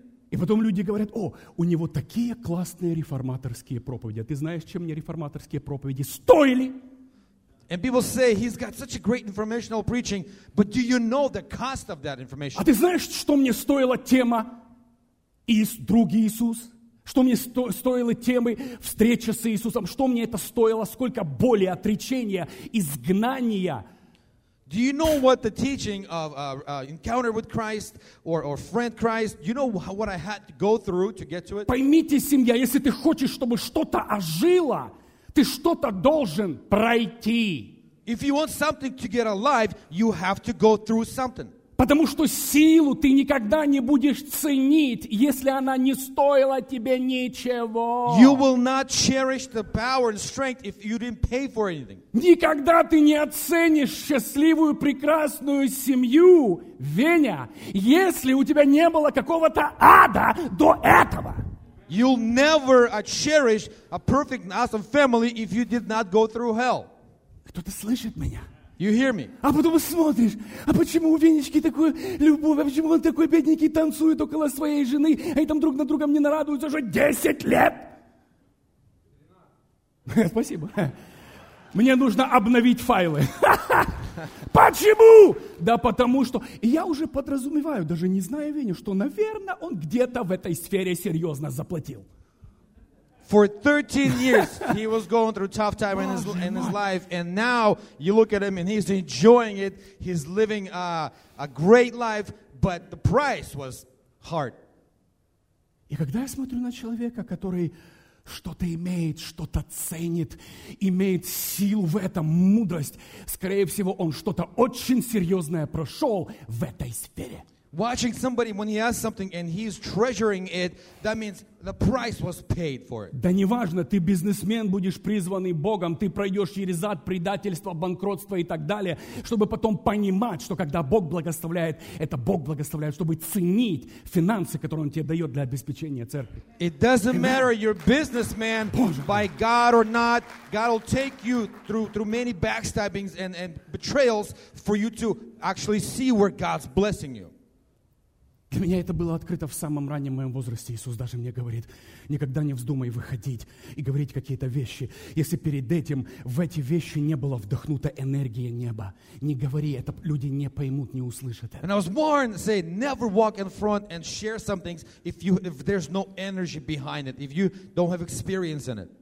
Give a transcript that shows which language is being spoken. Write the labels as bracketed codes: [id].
[ru] И потом люди говорят, о, у него такие классные реформаторские проповеди. А ты знаешь, чем мне реформаторские проповеди стоили? [en] And people say he's got such a great informational preaching, but do you know the cost of that information? [ru] А ты знаешь, что мне стоила тема «Друг Иисус»? Что мне стоило темы встречи с Иисусом? Что мне это стоило? Сколько боли, отречения, изгнания? [en] Do you know what the teaching of encounter with Christ or friend Christ? You know what I had to go through to get to it? [ru] Поймите, семья, если ты хочешь, чтобы что-то ожило, ты что-то должен пройти. [en] If you want something to get alive, you have to go through something. [ru] Потому что силу ты никогда не будешь ценить, если она не стоила тебе ничего. [en] You will not cherish the power and strength if you didn't pay for anything. [ru] Никогда ты не оценишь счастливую, прекрасную семью, Веня, если у тебя не было какого-то ада до этого. [en] You'll never cherish a perfect, awesome family if you did not go through hell. [ru] Кто-то слышит меня? [en] You hear me? [ru] А потом смотришь, а почему у Венечки такую любовь, а почему он такой бедненький танцует около своей жены, а они там друг на другом не нарадуются уже 10 лет? Спасибо. Мне нужно обновить файлы. Почему? Да потому что... Я уже подразумеваю, даже не зная Веню, что, наверное, он где-то в этой сфере серьезно заплатил. [en] For 13 years, he was going through a tough time in his life, and now you look at him and he's enjoying it. He's living a great life, but the price was hard. [ru] И когда я смотрю на человека, который что-то имеет, что-то ценит, имеет силу в этом, мудрость, скорее всего, он что-то очень серьезное прошел в этой сфере. [en] Watching somebody when he has something and he's treasuring it, that means the price was paid for it. [ru] Да неважно, ты бизнесмен, будешь призванный Богом, ты пройдешь через ад, предательство, банкротство и так далее, чтобы потом понимать, что когда Бог благословляет, это Бог благословляет, чтобы ценить финансы, которые Он тебе дает для обеспечения церкви. [en] It doesn't matter you're businessman by God or not, God will take you through many backstabbings and betrayals for you to actually see where God's blessing you. [ru] Для меня это было открыто в самом раннем моем возрасте. Иисус даже мне говорит, никогда не вздумай выходить и говорить какие-то вещи. Если перед этим в эти вещи не было вдохнута энергия неба, не говори, это люди не поймут, не услышат это. [en] And I was warned, say, never walk in front and share some things if there's no energy behind it, if you don't have experience in it.